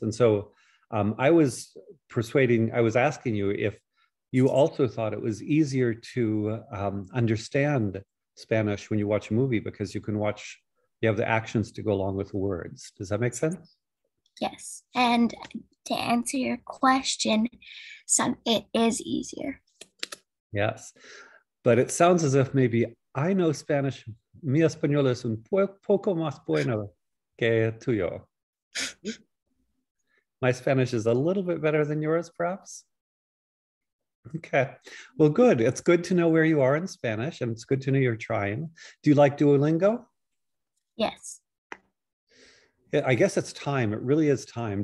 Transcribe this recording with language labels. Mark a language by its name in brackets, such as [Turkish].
[English] And so I was asking you if you also thought it was easier to understand Spanish when you watch a movie because you have the actions to go along with the words. Does that make sense? Yes. And to answer your question, it is easier. Yes. But it sounds as if maybe I know Spanish. [Spanish] Mi español es un poco más bueno que tuyo. [English] My Spanish is a little bit better than yours, perhaps. Okay. Well, good. It's good to know where you are in Spanish, and it's good to know you're trying. Do you like Duolingo? Yes. I guess it's time. It really is time.